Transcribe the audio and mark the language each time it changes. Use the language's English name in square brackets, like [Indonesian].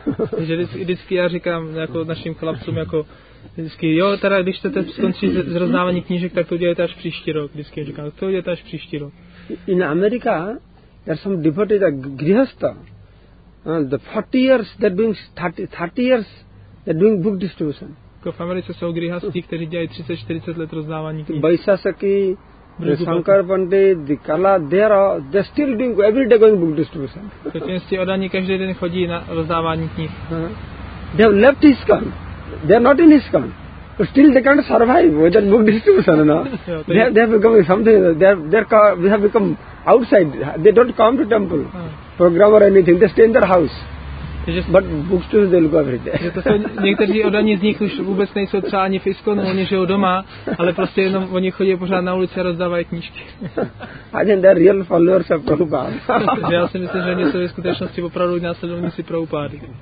[Czech] Takže vždycky já říkám jako našim chlapcům, jako vždycky, jo, teda když chcete skončit z rozdávání knížek, tak to uděláte až příští rok. Vždycky říkám, to uděláte až příští rok. [English] In America, there some devotees are grihastha. The 40 years they're doing, 30 years they're doing book distribution. [Czech] Jako v Americe jsou grihastí, kteří dělají 30-40 let rozdávání knížek. [English] Vaisasaki, Shankar Pandit, the Kala, they're still doing, every day going book distribution. [Czech] To tím si odaní každý den chodí na rozdávání knih. [English] They have left ISKCON. They are not in ISKCON. But still they can't survive with that book distribution, no? they have become something, they have become outside. They don't come to temple, program or anything. They stay in their house. But books too, they'll go every day. [Czech] Někteří odaní z nich už vůbec nejsou třeba ani v ISKCONu, oni žijou doma, ale prostě jenom oni chodí pořád na ulici a rozdávají knížky. [English] And then they're real followers of Prabhupada. [Czech] Já si myslím, že oni jsou ve skutečnosti opravdu následovníci Prabhupády.